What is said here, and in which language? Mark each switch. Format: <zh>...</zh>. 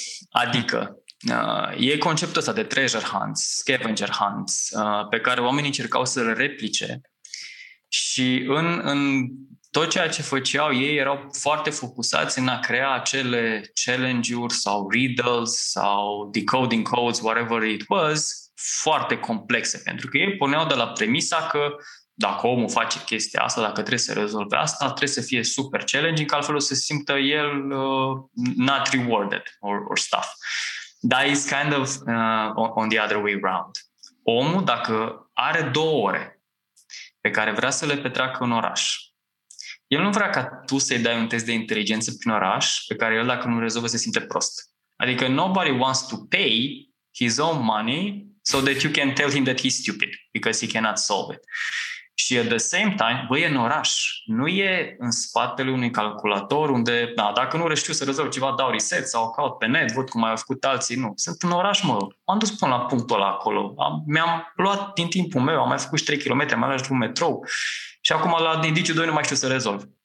<ro>Adică, e conceptul ăsta de treasure hunts, scavenger hunts, pe care oamenii încercau să-l replice și în tot ceea ce făceau ei erau foarte focusați în a crea acele challenge-uri sau riddles sau decoding codes,</ro> <en>whatever it was,</en> <ro>foarte complexe, pentru că ei puneau de la premisa că dacă omul face chestia asta, dacă trebuie să rezolve asta, trebuie să fie super challenging, că altfel o să simtă el</ro> <en>not rewarded or stuff. That is kind of on the other way around.</en> <ro>Omul, dacă are 2 ore pe care vrea să le petreacă în oraș, el nu vrea ca tu să-i dai un test de inteligență prin oraș pe care el, dacă nu rezolvă, se simte prost.</ro> <en>Adică nobody wants to pay his own money so that you can tell him that he's stupid because he cannot solve it.</en> <ro>Și</ro> <en>at the same time,</en> <ro>băi, în oraș, nu e în spatele unui calculator unde, da, dacă nu reușesc să rezolv ceva, dau reset sau caut pe net, văd cum au făcut alții, nu. Sunt în oraș, mă, m-am dus până la punctul ăla acolo, mi-am luat din timpul meu, am mai făcut și 3 km, am mai luat un metrou și acum la indiciu 2 nu mai știu să rezolv.</ro>